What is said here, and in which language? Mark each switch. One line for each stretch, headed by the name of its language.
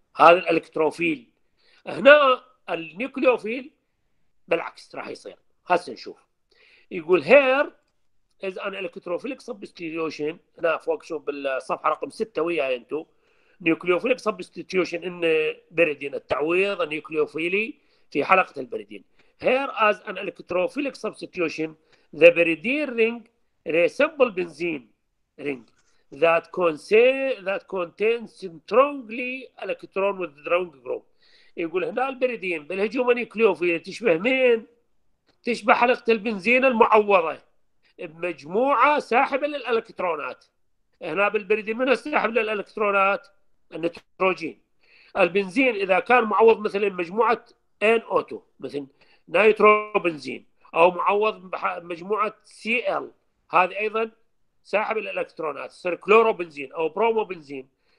Arabic: هذا الالكتروفيل. هنا النيوكليوفيل بالعكس راح يصير. هسه نشوف. يقول
English: here is an electrophilic substitution،
Arabic: هنا فوق شوف بالصفحة رقم 6 وياي انتو،
English: nucleophilic substitution in
Arabic: بريدين، التعويض النيوكليوفيلي في حلقة البريدين.
English: here as an electrophilic substitution the pyridine ring resemble benzene ring that contains strongly electron withdrawing group.
Arabic: يقول هنا البريدين بالهجوم النيوكليوفيلي تشبه مين؟ تشبه حلقة البنزين المعوضة بمجموعة ساحبة للإلكترونات. هنا بالبريدين من الساحب للإلكترونات؟ النيتروجين. البنزين إذا كان معوض مثلا مجموعة ان او 2 مثل نيترو بنزين، أو معوض بمجموعة سي ال، هذه أيضا ساحب الإلكترونات، تصير كلورو بنزين أو برومو بنزين.